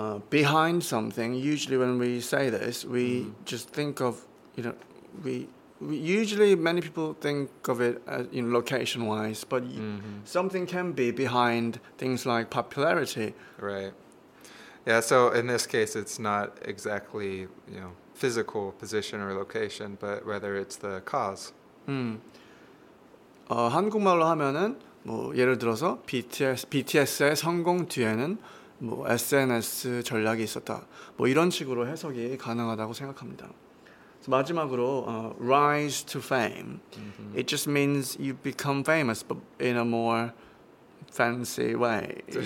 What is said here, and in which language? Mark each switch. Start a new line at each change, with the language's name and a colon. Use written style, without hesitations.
English: Behind something, usually when we say this, we just think of, you know, we usually many people think of it as, you know, location-wise, but something can be behind things like popularity. Right. Yeah. So in this case, it's not exactly, you know, physical position or location, but rather it's the cause.
Korean: 한국말로 하면은 뭐 예를 들어서 BTS의 성공 뒤에는 뭐 SNS 전략이 있었다. 뭐 이런 식으로 해석이 가능하다고 생각합니다.
English: So
Korean: 마지막으로
English: rise to fame. It just means you become famous but in a more fancy way.